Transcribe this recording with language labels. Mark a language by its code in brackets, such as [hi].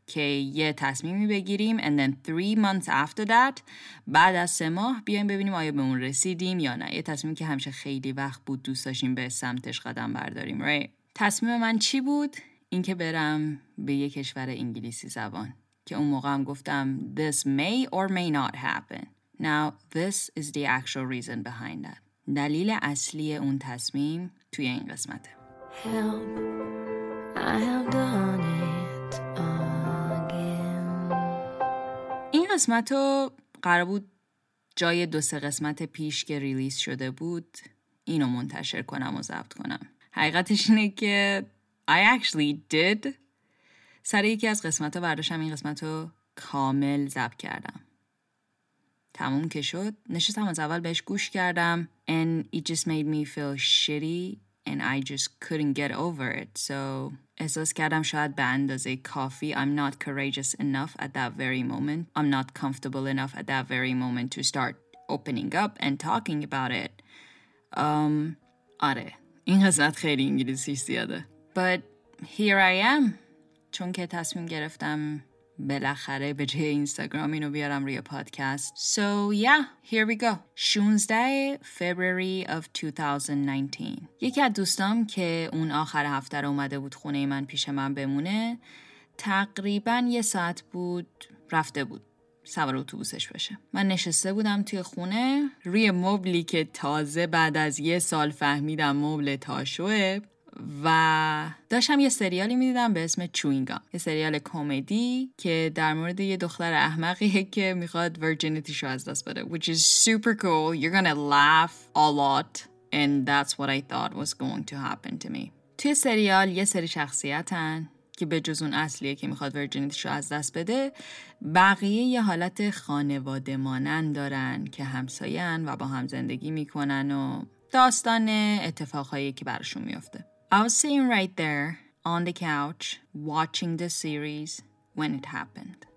[fa] که یه تصمیمی بگیریم [en] and then 3 months after that, [fa] بعد از 3 ماه بیایم ببینیم آیا به اون رسیدیم یا نه. یه تصمیمی که همیشه خیلی وقت بود دوست داشتیم به سمتش قدم برداریم. [en] Right. [fa] تصمیم من چی بود؟ این که برم به یه کشور انگلیسی زبان که اون موقع هم گفتم [en] this may or may not happen. Now this is the actual reason behind that. [fa] دلیل اصلی اون تصمیم توی این قسمته. [en] Help, I have done it again. [fa] این قسمتو قرار بود جای 2-3 قسمت پیش که ریلیز شده بود اینو منتشر کنم و ضبط کنم. حقیقتش اینه که [en] I actually did. [fa] سر یکی از قسمت‌ها برداشتم این قسمت‌ها کامل ضبط کردم. تموم که شد نشستم از اول بهش گوش کردم [en] and it just made me feel shitty and I just couldn't get over it. So [fa] احساس کردم شاید به اندازه کافی [en] I'm not courageous enough at that very moment. I'm not comfortable enough at that very moment to start opening up and talking about it. [fa] آره این قسمت خیلی انگلیسی زیاده. [en] But here I am. [fa] چون که تصمیم گرفتم بالاخره به جای اینستاگرام اینو بیارم روی پادکست. [en] So yeah, here we go. 16 February of 2019. [fa] یکی از دوستام که اون آخر هفته رو اومده بود خونه من پیش من بمونه تقریبا 1 ساعت بود رفته بود سوار اتوبوسش بشه. من نشسته بودم توی خونه روی مبلی که تازه بعد از 1 سال فهمیدم مبل تاشوه و داشتم یه سریالی می‌دیدم به اسم چوینگام، یه سریال کمدی که در مورد یه دختر احمقیه که می‌خواد ورجینیتیش رو از دست بده. [en] Which is super cool. You're gonna laugh a lot and that's what I thought was going to happen to me. [fa] توی سریال یه سری شخصیتن که به جز اون اصلیه که می‌خواد ورجینیتیش رو از دست بده، بقیه یه حالت خانواده مانند دارن که همسایه‌ن و با هم زندگی می‌کنن و داستان اتفاقایی که براشون میفته. [en] I was sitting right there on the couch watching the series when it happened.